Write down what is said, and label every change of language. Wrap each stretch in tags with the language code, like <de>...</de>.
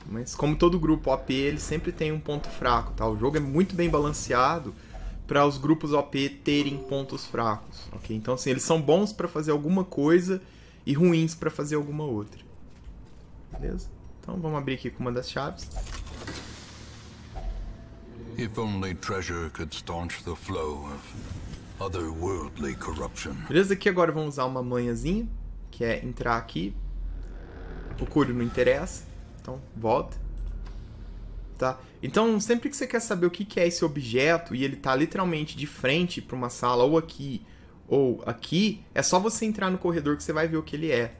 <pt>Mas como todo grupo OP, ele sempre tem um ponto fraco, tá? O jogo é muito bem balanceado para os grupos OP terem pontos fracos, ok? Então, assim, eles são bons para fazer alguma coisa e ruins para fazer alguma outra. Beleza? Então, vamos abrir aqui com uma das chaves.</pt> <en>If only treasure could staunch the flow of otherworldly corruption.</en> <pt>Beleza? Aqui agora vamos usar uma manhãzinha, que é entrar aqui. O Curio não interessa. Então, volta. Tá? Então, sempre que você quer saber o que é esse objeto e ele tá literalmente de frente para uma sala ou aqui ou aqui, é só você entrar no corredor que você vai ver o que ele é.</pt>